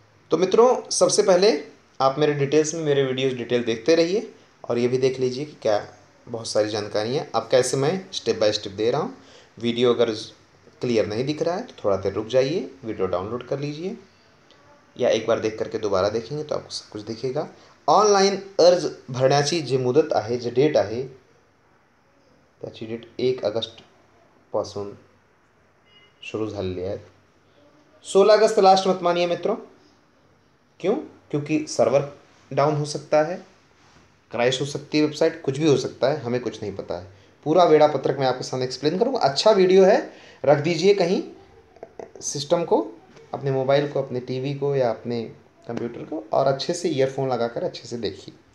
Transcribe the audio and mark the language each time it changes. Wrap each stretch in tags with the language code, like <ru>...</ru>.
<hi>तो मित्रों, सबसे पहले आप मेरे डिटेल्स में मेरे वीडियोज डिटेल देखते रहिए और ये भी देख लीजिए कि क्या बहुत सारी जानकारी है, आप कैसे मैं स्टेप बाय स्टेप दे रहा हूँ। वीडियो अगर क्लियर नहीं दिख रहा है तो थोड़ा देर रुक जाइए, वीडियो डाउनलोड कर लीजिए, या एक बार देख करके दोबारा देखेंगे तो आपको सब कुछ दिखेगा।</hi> <mr>ऑनलाइन अर्ज भरण्याची जी मुदत आहे, जी डेट आहे, त्याची डेट 1 ऑगस्ट पासून सुरू झालेली आहे।</mr> <hi>16 ऑगस्ट लास्ट मत मानिए मित्रों, क्यों? क्योंकि सर्वर डाउन हो सकता है, क्रैश हो सकती है वेबसाइट, कुछ भी हो सकता है, हमें कुछ नहीं पता है। पूरा वेड़ा पत्रक मैं आपके सामने एक्सप्लेन करूंगा। अच्छा वीडियो है, रख दीजिए कहीं सिस्टम को, अपने मोबाइल को, अपने टीवी को या अपने कंप्यूटर को, और अच्छे से ईयरफोन लगाकर अच्छे से देखिए।</hi>